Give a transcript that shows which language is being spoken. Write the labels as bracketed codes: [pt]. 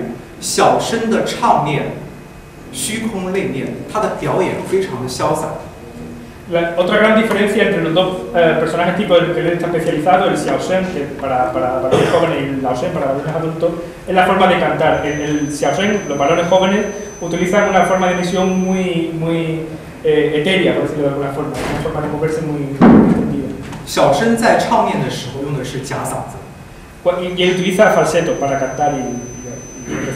[zh] 那我今天表演的之前的小生和接下来的这个老生最大的区别在于小生的唱念 虚空内念，他的表演非常的潇洒。 [es] La otra gran diferencia entre los dos personajes tipo el que él está especializado, el Xiao Shen, que para los jóvenes, y el Lao Shen para los adultos, es la forma de cantar. El Xiao Shen, los varones jóvenes, utilizan una forma de emisión muy, muy etérea, por decirlo de alguna forma, una forma de moverse muy extendida. [zh] 小生在唱念的时候用的是假嗓子。 [es] Y él utiliza falseto para cantar y